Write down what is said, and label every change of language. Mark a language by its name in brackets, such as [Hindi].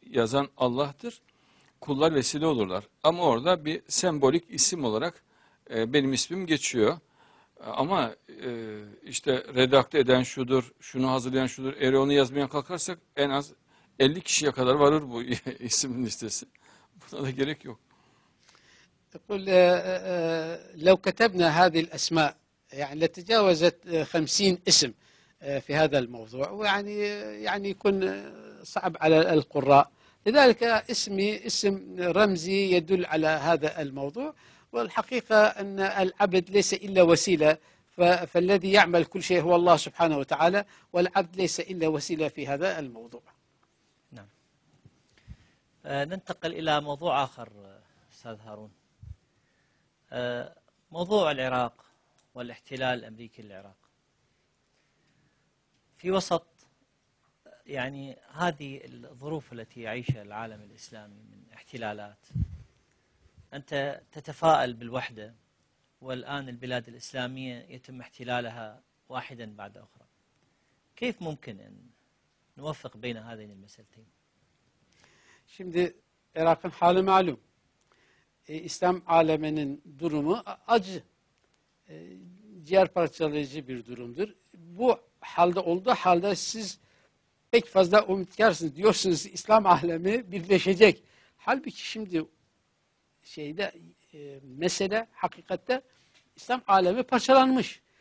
[Turkish] Yazan Allah'tır. Kullar vesile olurlar. Ama orada bir sembolik isim olarak benim ismim geçiyor. Ama işte redakte eden şudur, şunu hazırlayan şudur. Eğer onu yazmaya kalkarsak en az 50 kişiye kadar varır bu isimin listesi. Buna da gerek yok. [Arabic] تقول لو كتبنا هذه الأسماء يعني لتجاوزت 50 اسم في هذا الموضوع ويعني يكون صعب على القراء لذلك اسمي اسم رمزي يدل على هذا الموضوع والحقيقة أن العبد ليس إلا وسيلة فالذي يعمل كل شيء هو الله سبحانه وتعالى والعبد ليس إلا وسيلة في هذا الموضوع نعم ننتقل إلى موضوع آخر أستاذ هارون موضوع العراق والاحتلال الأمريكي للعراق في وسط يعني هذه الظروف التي يعيشها العالم الإسلامي من احتلالات أنت تتفائل بالوحدة والآن البلاد الإسلامية يتم احتلالها واحدا بعد أخرى كيف ممكن أن نوفق بين هذين المسألتين [Turkish] Şimdi Irak'ın hali malum. İslam aleminin durumu acı, ciğer parçalayıcı bir durumdur. Bu halde olduğu halde siz pek fazla umutkarsınız. Diyorsunuz İslam alemi birleşecek. Halbuki şimdi şeyde mesele hakikatte İslam alemi parçalanmış.